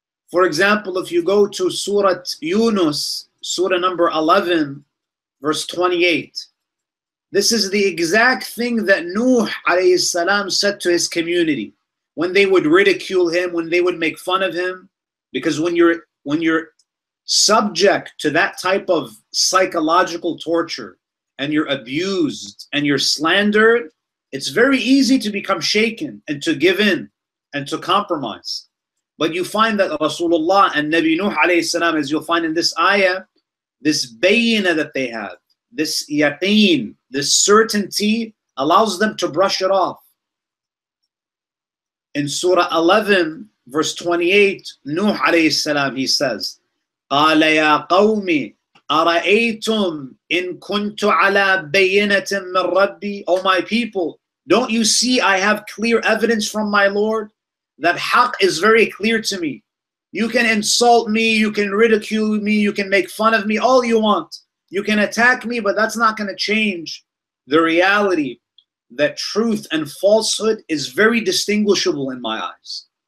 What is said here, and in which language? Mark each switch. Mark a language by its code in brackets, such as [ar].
[en] For example, if you go to Surah Yunus, Surah number 11, verse 28, this is the exact thing that Nuh alayhi salam said to his community when they would ridicule him, when they would make fun of him, because when you're subject to that type of psychological torture and you're abused and you're slandered, it's very easy to become shaken and to give in and to compromise. But you find that Rasulullah and Nabi Nuh alayhi salam, as you'll find in this ayah, this bayina that they have, this yaqeen, this certainty, allows them to brush it off. In Surah 11, verse 28, Nuh alayhi salam, he says, [ar] قَالَ يَا قَوْمِ أَرَأَيْتُمْ إِن كُنْتُ عَلَىٰ بَيِّنَةٍ مِّن رَبِّي. [en] O my people, don't you see I have clear evidence from my Lord that haq is very clear to me? You can insult me, you can ridicule me, you can make fun of me all you want. You can attack me, but that's not going to change the reality that truth and falsehood is very distinguishable in my eyes.